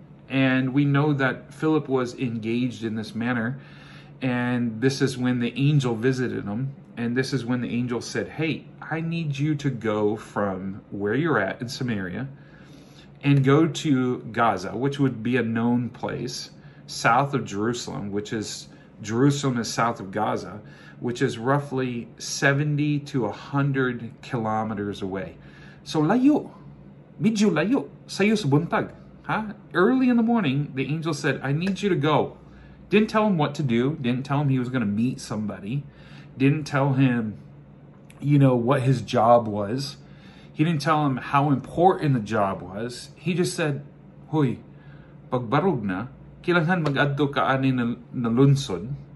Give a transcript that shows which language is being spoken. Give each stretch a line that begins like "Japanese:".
English: And we know that Philip was engaged in this manner, and this is when the angel visited him, and this is when the angel said, hey, I need you to go from where you're at in Samaria and go to Gaza, which would be a known place, south of Jerusalem, which is, Jerusalem is south of Gaza, which is roughly 70 to 100 kilometers away.
Cebuano: So layo, medyo layo, sayo sa buntag.
English: Early in the morning, the angel said, I need you to go. Didn't tell him what to do. Didn't tell him he was going to meet somebody. Didn't tell him, you know, what his job was. He didn't tell him how important the job was. He just said,
Cebuano: "Hoy, pagbarug na, kailangan mag-addo ka ani na lunsod.